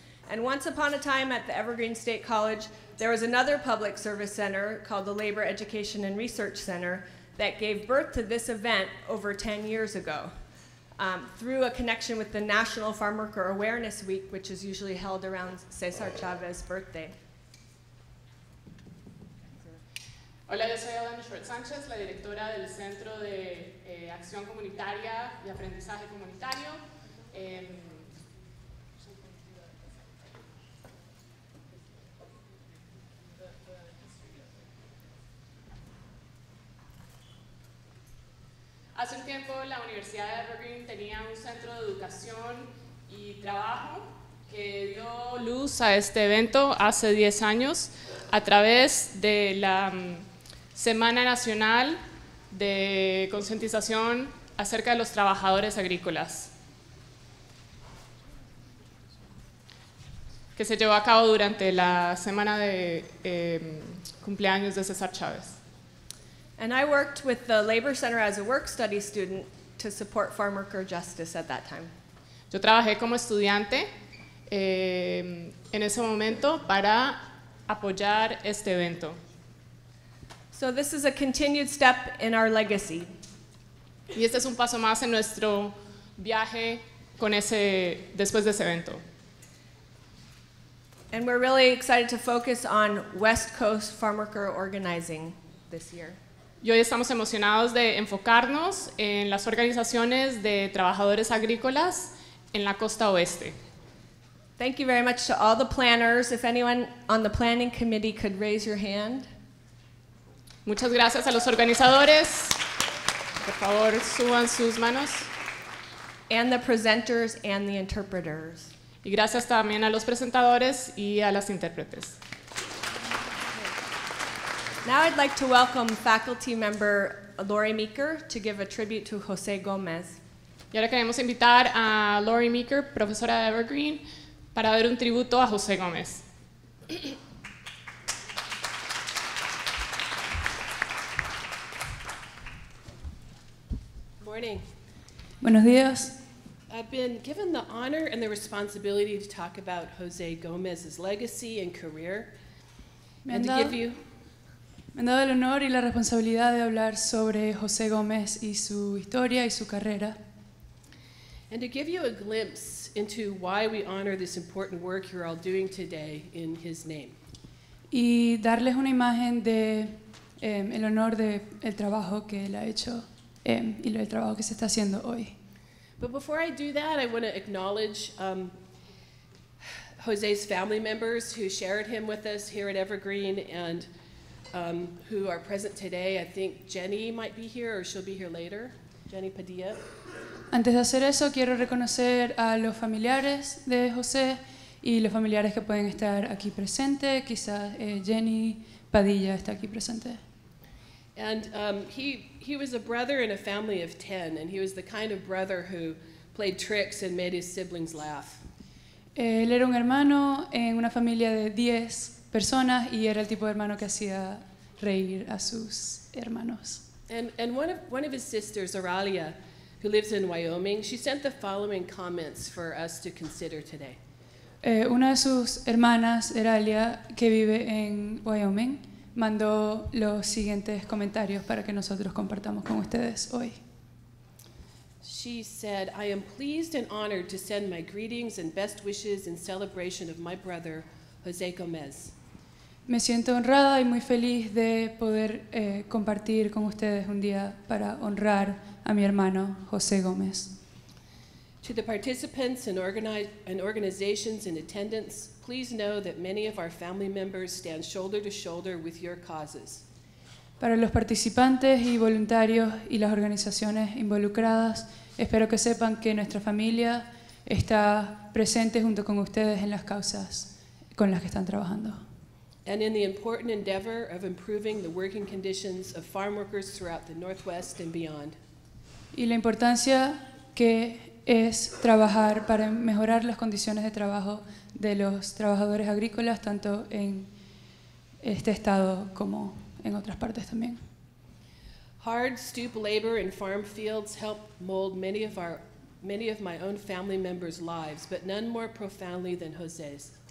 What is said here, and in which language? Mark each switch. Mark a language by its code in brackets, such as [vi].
[en] And once upon a time at the Evergreen State College, there was another public service center called the Labor Education and Research Center that gave birth to this event over 10 years ago through a connection with the National Farmworker Awareness Week, which is usually held around Cesar Chavez's birthday. [es] Hola, yo soy Alan Short Sanchez, la directora del Centro de Acción Comunitaria y Aprendizaje Comunitario. Hace un tiempo la Universidad de Evergreen tenía un centro de educación y trabajo que dio luz a este evento hace 10 años a través de la Semana Nacional de Concientización acerca de los Trabajadores Agrícolas, que se llevó a cabo durante la semana de cumpleaños de César Chávez. [en] And I worked with the Labor Center as a work study student to support farmworker justice at that time. [es] Yo trabajé como estudiante en ese momento para apoyar este evento. [en] So this is a continued step in our legacy. [es] Y este es un paso más en nuestro viaje con ese, después de ese evento. [en] And we're really excited to focus on West Coast farmworker organizing this year. [es] Y hoy estamos emocionados de enfocarnos en las organizaciones de trabajadores agrícolas en la costa oeste. [en] Thank you very much to all the planners. If anyone on the planning committee could raise your hand. [es] Muchas gracias a los organizadores. Por favor, suban sus manos. [en] And the presenters and the interpreters. [es] Y gracias también a los presentadores y a las intérpretes. [en] Now I'd like to welcome faculty member Lori Meeker to give a tribute to José Gómez. [es] Y ahora queremos invitar a Lori Meeker, profesora de Evergreen, para dar un tributo a José Gómez. [en] Morning. [es] Buenos días. [en] I've been given the honor and the responsibility to talk about José Gómez's legacy and career. [es] Me han dado el honor y la responsabilidad de hablar sobre José Gómez y su historia y su carrera. [en] And to give you a glimpse into why we honor this important work you're all doing today in his name. [es] Y darles una imagen de el honor de el trabajo que él ha hecho. Y el trabajo que se está haciendo hoy. [en] But before I do that, I want to acknowledge José's family members who shared him with us here at Evergreen and who are present today. I think Jenny might be here or she'll be here later. Jenny Padilla. [es] Antes de hacer eso, quiero reconocer a los familiares de José y los familiares que pueden estar aquí presente. Quizás Jenny Padilla está aquí presente. [en] And he was a brother in a family of 10, and he was the kind of brother who played tricks and made his siblings laugh. [es] Él era un hermano en una familia de 10 personas, y era el tipo de hermano que hacía reír a sus hermanos. [en] And one of his sisters, Aralia, who lives in Wyoming, she sent the following comments for us to consider today. [es] Una de sus hermanas, Aralia, que vive en Wyoming, mandó los siguientes comentarios para que nosotros compartamos con ustedes hoy. [en] She said, I am pleased and honored to send my greetings and best wishes in celebration of my brother, José Gómez. [es] Me siento honrada y muy feliz de poder compartir con ustedes un día para honrar a mi hermano, José Gómez. [en] To the participants and organizations in attendance, please know that many of our family members stand shoulder to shoulder with your causes. [es] Para los participantes y voluntarios y las organizaciones involucradas, espero que sepan que nuestra familia está presente junto con ustedes en las causas con las que están trabajando. [en] And in the important endeavor of improving the working conditions of farm workers throughout the Northwest and beyond. [es] Y la importancia que es trabajar para mejorar las condiciones de trabajo de los trabajadores agrícolas tanto en este estado como en otras partes también. [en] Hard stoop labor in farm fields helped mold many of my own family members' lives, but none more profoundly than José's.